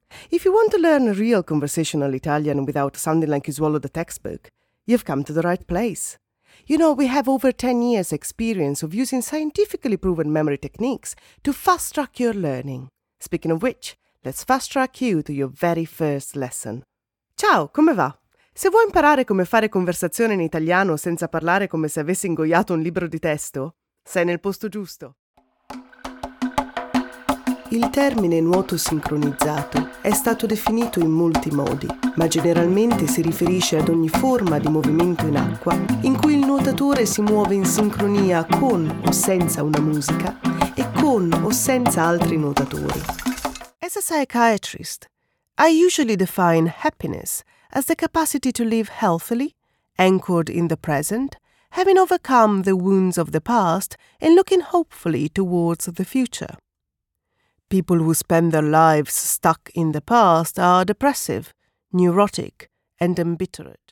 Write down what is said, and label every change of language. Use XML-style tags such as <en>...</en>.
<en>If you want to learn real conversational Italian without sounding like you swallowed a textbook, you've come to the right place. You know, we have over 10 years' experience of using scientifically proven memory techniques to fast-track your learning. Speaking of which, let's fast-track you to your very first lesson.</en> <it>Ciao, come va? Se vuoi imparare come fare conversazione in italiano senza parlare come se avessi ingoiato un libro di testo, sei nel posto giusto. Il termine nuoto sincronizzato è stato definito in molti modi, ma generalmente si riferisce ad ogni forma di movimento in acqua in cui il nuotatore si muove in sincronia con o senza una musica e con o senza altri nuotatori.</it> <en>As a psychiatrist, I usually define happiness as the capacity to live healthily, anchored in the present, having overcome the wounds of the past and looking hopefully towards the future. People who spend their lives stuck in the past are depressive, neurotic, and embittered.</en>